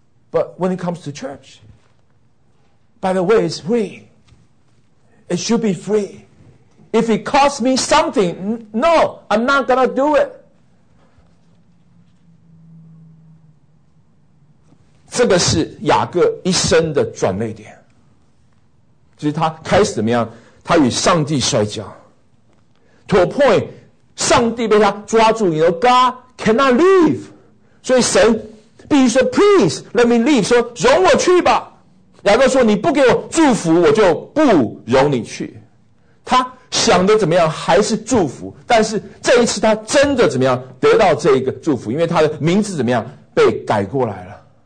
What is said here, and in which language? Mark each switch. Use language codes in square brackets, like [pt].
[en] But when it comes to church, by the way, it's free. It should be free. If it costs me something, no, I'm not gonna do it. [zh] 这个是雅各一生的转捩点，就是他开始怎么样？他与上帝摔跤。 [en] to a point, [zh] 上帝被他抓住 [en] you know, God cannot leave. [zh] 所以神必须说 [en] please, let me leave. [zh] 说容我去吧。雅各说你不给我祝福我就不容你去。他想的怎么样还是祝福，但是这一次他真的怎么样得到这个祝福，因为他的名字怎么样被改过来了。